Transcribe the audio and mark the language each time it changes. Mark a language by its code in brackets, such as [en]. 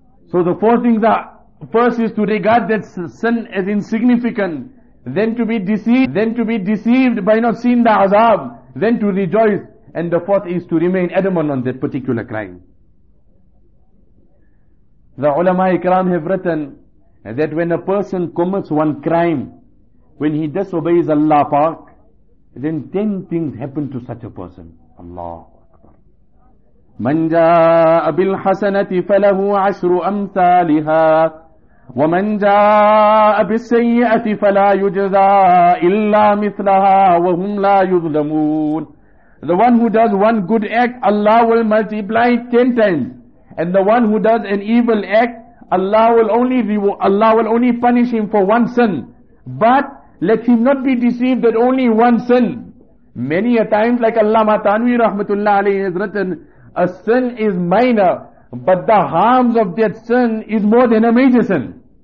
[en] So the four things are, first is to regard that sin as insignificant, then to be deceived by not seeing the azab, then to rejoice, and the fourth is to remain adamant on that particular crime. The ulama ikram have written that when a person commits one crime, when he disobeys Allah Pak, then 10 things happen to such a person. Allah. [ar] من جاء بالحسنة فله عشر أمثالها ومن جاء بالسيئة فلا يجزى إلا مثلها وهم لا يظلمون. [en] The one who does one good act, Allah will multiply 10 times. And the one who does an evil act, Allah will only punish him for one sin. But let him not be deceived that only one sin. Many a times, like Allama Tanwi rahmatullah alayhi has written, a sin is minor, but the harms of that sin is more than a major sin.